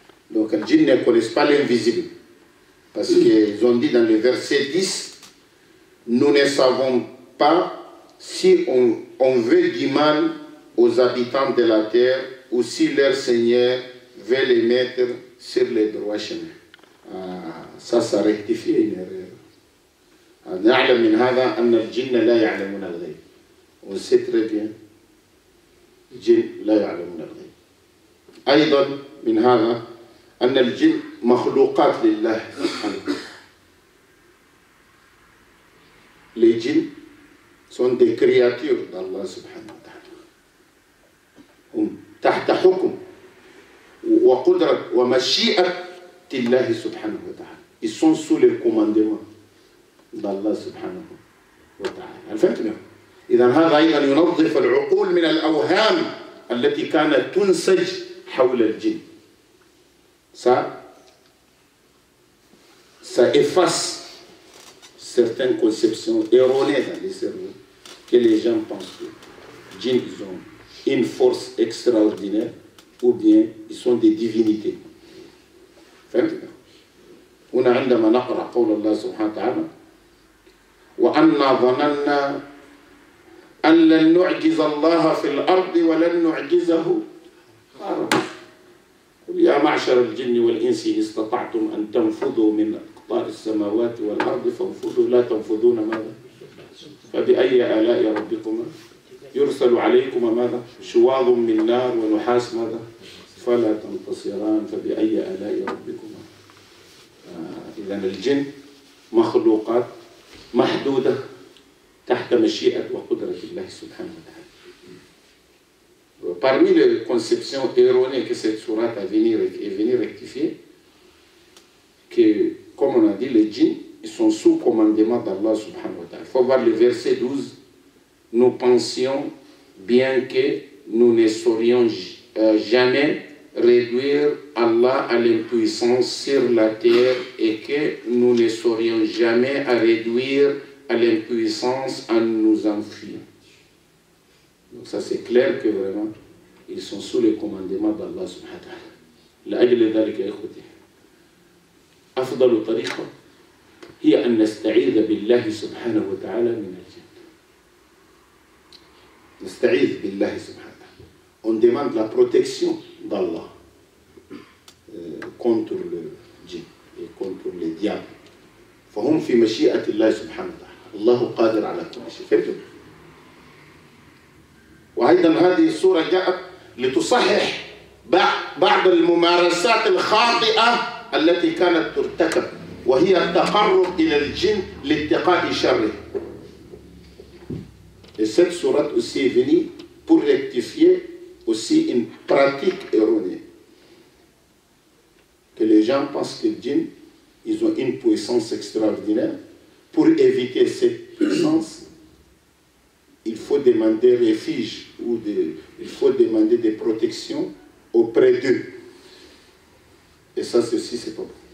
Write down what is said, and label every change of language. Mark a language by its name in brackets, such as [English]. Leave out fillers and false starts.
[French] Donc les djinns ne connaissent pas l'invisible. Parce qu'ils ont dit dans le verset 10, nous ne savons pas si on veut du mal aux habitants de la terre ou si leur Seigneur veut les mettre sur le droit chemin. Ça rectifie une erreur. [Arabic] نعلم من هذا أن الجن لا يعلمون الغيب. [French] On sait très bien. [Arabic] الجن لا يعلمون الغيب. أيضا من هذا أن الجن مخلوقات لله سبحانه. [French] Les djinns sont des créatures d'Allah سبحانه وتعالى. [Arabic] هم تحت حكم وقدرة ومشيئة الله سبحانه وتعالى. [French] Ils sont sous le commandement d'Allah سبحانه وتعالى. [Arabic] فهمتم؟ إذا هذا أيضا ينظف العقول من الأوهام التي كانت تنسج حول الجن. [French] Ça efface certaines conceptions erronées dans les cerveaux que les gens pensent que les djinns ont une force extraordinaire ou bien ils sont des divinités. [Arabic] فهمتم؟ هنا عندما نقرأ قول الله سبحانه وتعالى وأنا ظننا أن لن نعجز الله في الأرض ولن نعجزه قل يا معشر الجن والإنس إن استطعتم أن تنفذوا من أقطار السماوات والأرض فانفذوا لا تنفذون ماذا فبأي آلاء ربكما يرسل عليكم ماذا شواظ من نار ونحاس ماذا فلا تنتصران فبأي آلاء ربكما. إذن الجن مخلوقات محدودة تحت مشيئة وقدرة الله سبحانه وتعالى. [French] Parmi les conceptions erronées que cette sourate a venu rectifier, que, comme on a dit, les djinns ils sont sous commandement d'Allah subhanahu wa ta'ala. Il faut voir le verset 12. Nous pensions, bien que nous ne saurions jamais réduire Allah à l'impuissance sur la terre et que nous ne saurions jamais à réduire à l'impuissance en nous enfuyant. Donc ça c'est clair que vraiment, ils sont sous le commandement d'Allah subhanahu wa ta'ala. L'ajl écoutez. [Arabic] أفضل طريقة هي أن نستعيذ بالله سبحانه وتعالى من الجن. نستعيذ بالله سبحانه. [French] On demande la protection d'Allah contre le djinn et contre les diables. [Arabic] فهم في مشيئة الله سبحانه وتعالى. الله قادر على كل شيء. فهمتم؟ وأيضا هذه السورة جاءت لتصحح بعض الممارسات الخاطئة التي كانت ترتكب وهي التقرب إلى الجن لاتقاء شره. [French] Cette sourate aussi est venue pour rectifier aussi une pratique erronée que les gens pensent que les djinns ils ont une puissance extraordinaire. Pour éviter cette puissance, il faut demander refuge ou il faut demander des protections auprès d'eux. Et ça, ceci, c'est pas bon.